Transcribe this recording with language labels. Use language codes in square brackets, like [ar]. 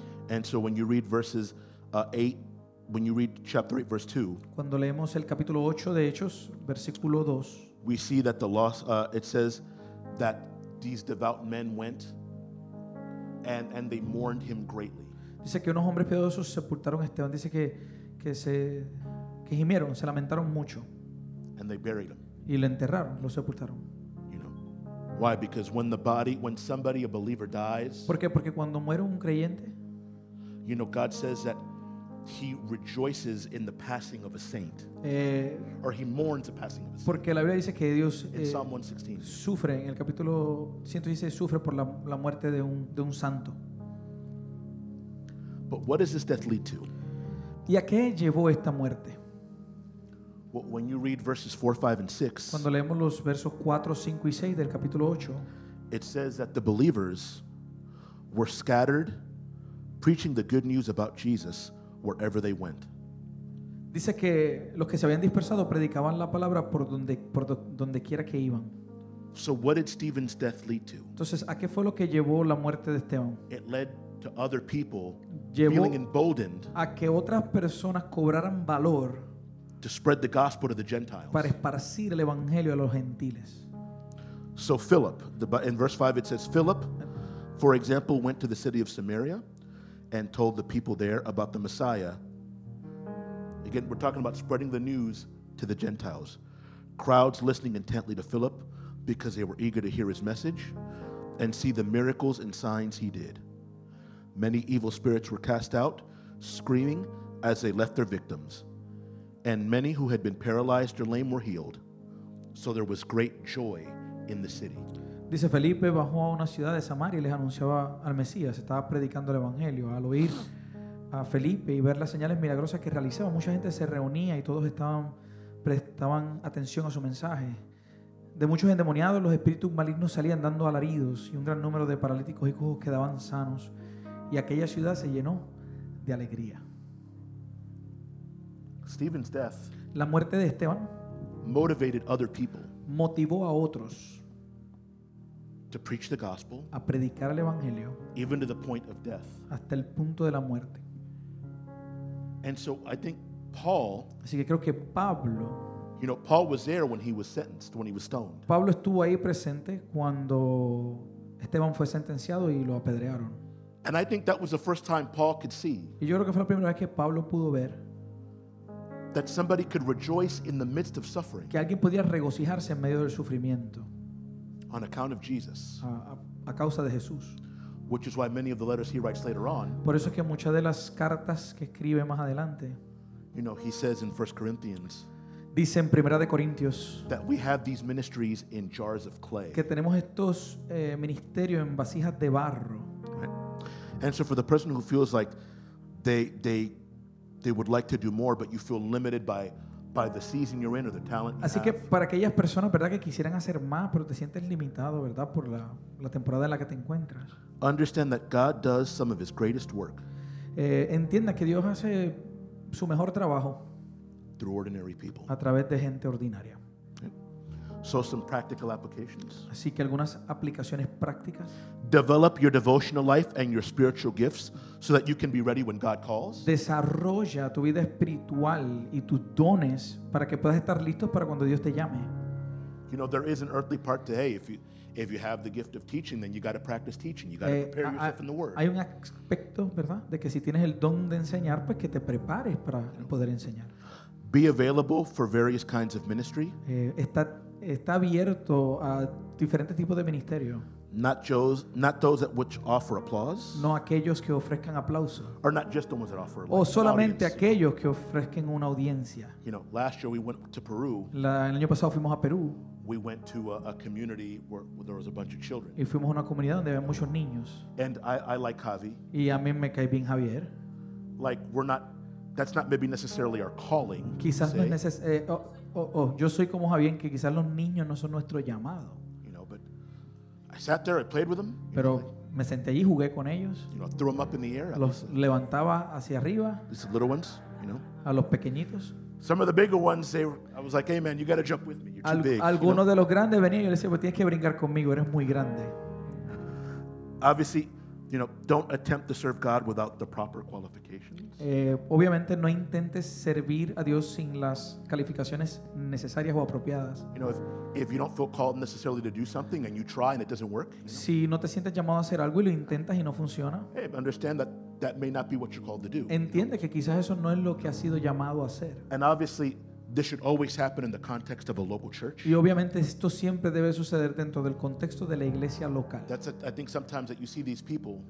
[en] And so when you read verses 8, when you read chapter 8, verse 2. [es] Cuando leemos el capítulo 8 de Hechos, versículo 2. [en] We see that the loss, it says that these devout men went and they mourned him greatly. [es] Dice que unos hombres piadosos sepultaron a Esteban. Dice que se que gimieron, se lamentaron mucho. [en] And they buried him. [es] Y lo enterraron, lo sepultaron. [en] You know. Why? Because when the body, when somebody, a believer dies. [es] ¿Por qué? Porque cuando muere un creyente. [en] You know, God says that he rejoices in the passing of a saint. Or he mourns the passing of a saint. [es] Porque la Biblia dice que Dios [en] in Psalm 116. [es] Sufre, en el capítulo 116, sufre por la muerte de un santo. [en] But what does this death lead to? [es] ¿Y a qué llevó esta muerte? [en] Well, when you read verses 4, 5, and 6. [es] Cuando leemos los versos 4, 5 y 6 del capítulo 8. [en] It says that the believers were scattered, preaching the good news about Jesus wherever they went. [es] Dice que los que se habían dispersado predicaban la palabra por donde quiera que iban. [en] So what did Stephen's death lead to? [es] Entonces, ¿a qué fue lo que llevó la muerte de Esteban? [en] It led to other people feeling emboldened. [es] A que otras personas cobraran valor [en] to spread the gospel to the Gentiles. [es] Para esparcir el evangelio a los gentiles. [en] So Philip, in verse 5 it says, Philip, for example, went to the city of Samaria and told the people there about the Messiah. Again, we're talking about spreading the news to the Gentiles. Crowds listening intently to Philip because they were eager to hear his message and see the miracles and signs he did. Many evil spirits were cast out, screaming as they left their victims. And many who had been paralyzed or lame were healed. So there was great joy in the city. [es] Dice Felipe bajó a una ciudad de Samaria y les anunciaba al Mesías. Estaba predicando el Evangelio. Al oír a Felipe y ver las señales milagrosas que realizaba, mucha gente se reunía y todos prestaban atención a su mensaje. De muchos endemoniados, los espíritus malignos salían dando alaridos y un gran número de paralíticos y cojos quedaban sanos. Y aquella ciudad se llenó de alegría. [en] Stephen's death, [es] la muerte de Esteban, [en] motivated other people, [es] motivó a otros, [en] to preach the gospel, [es] a predicar el evangelio, [en] even to the point of death, [es] hasta el punto de la muerte. [en] And so I think Paul, [es] así que creo que Pablo, [en] you know, Paul was there when he was sentenced, when he was stoned. [es] Pablo estuvo ahí presente cuando Esteban fue sentenciado y lo apedrearon. [en] And I think that was the first time Paul could see. [es] Y yo creo que fue la primera vez que Pablo pudo ver. [en] That somebody could rejoice in the midst of suffering. [es] Que alguien pudiera regocijarse en medio del sufrimiento. [en] On account of Jesus. [es] A causa de Jesús. [en] Which is why many of the letters he writes later on. [es] Por eso es que muchas de las cartas que escribe más adelante. [en] You know, he says in 1 Corinthians. [es] Dice en Primera de Corintios. [en] That we have these ministries in jars of clay. [es] Que tenemos estos ministerios en vasijas de barro. [en] Right. And so for the person who feels like they would like to do more, but you feel limited by the season you're in or the talent you have. [es] Así que para aquellas personas, ¿verdad?, que quisieran hacer más, pero te sientes limitado, ¿verdad?, por la temporada en la que te encuentras. [en] Understand that God does some of his greatest work. [es] Entienda que Dios hace su mejor trabajo [en] through ordinary people. [es] A través de gente ordinaria. [en] So some practical applications. [es] Así que algunas aplicaciones prácticas. [en] Develop your devotional life and your spiritual gifts so that you can be ready when God calls. [es] Desarrolla tu vida espiritual y tus dones para que puedas estar listo para cuando Dios te llame. [en] You know, there is an earthly part to, hey, if you have the gift of teaching, then you got to practice teaching. You got to prepare yourself in the word. [es] Hay un aspecto, ¿verdad?, de que si tienes el don de enseñar, pues que te prepares para poder enseñar. [en] Be available for various kinds of ministry. [es] Está abierto a diferentes tipos de ministerio. [en] Not those at which offer applause. [es] No aquellos que ofrezcan aplauso. [en] Or not just the ones that offer. [es] O solamente aquellos que ofrezcan una audiencia. [en] You know, last year we went to Peru. [es] El año pasado fuimos a Perú. [en] We went to a community where there was a bunch of children. [es] Y fuimos a una comunidad donde había muchos niños. [en] And I like Javi. [es] Y a mí me cae bien Javier. [en] Like we're not, that's not maybe necessarily our calling. [es] Quizás no es necesario. yo soy como Javier, que quizás los niños no son nuestro llamado. [en] You know, but I sat there, I played with them. [es] Pero me senté allí, jugué con ellos. [en] You know, I threw them up in the air. [es] Los levantaba hacia arriba. [en] These little ones, you know. [es] A los pequeñitos. [en] Some of the bigger ones, they, I was like, "Hey man, you got to jump with me. You're too big." [es] Algunos, [en] you know, [es] de los grandes venían y yo les decía, "Pues tienes que brincar conmigo, eres muy grande." [en] Obviously, you know, don't attempt to serve God without the proper qualifications. [es] Obviamente no intentes servir a Dios sin las calificaciones necesarias o apropiadas. [en] You know, if you don't feel called necessarily to do something and you try and it doesn't work, you know? [es] Si no te sientes llamado a hacer algo y lo intentas y no funciona, [en] hey, understand that may not be what you're called to do. [es] Entiende, [en] you know, [es] que quizás eso no es lo que has sido llamado a hacer. [en] And obviously, this should always happen in the context of a local church. [es] Y obviamente esto siempre debe suceder dentro del contexto de la iglesia local. [en] I think sometimes that you see these people.